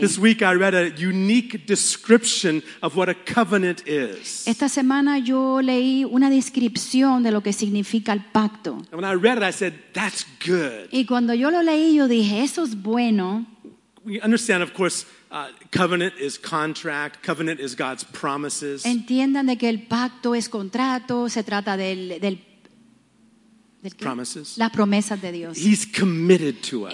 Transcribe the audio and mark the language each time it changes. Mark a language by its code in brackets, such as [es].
[en] This week I read a unique description of what a covenant is. [es] Esta semana yo leí una descripción de lo que significa el pacto. [en] And when I read it, I said, "That's good." [es] Y cuando yo lo leí, yo dije, "Eso es bueno." [en] We understand, of course, covenant is contract. Covenant is God's promises. [es] Entiendan de que el pacto es contrato. Se trata del [en] promises. [es] Las promesas de Dios. [en] He's committed to us.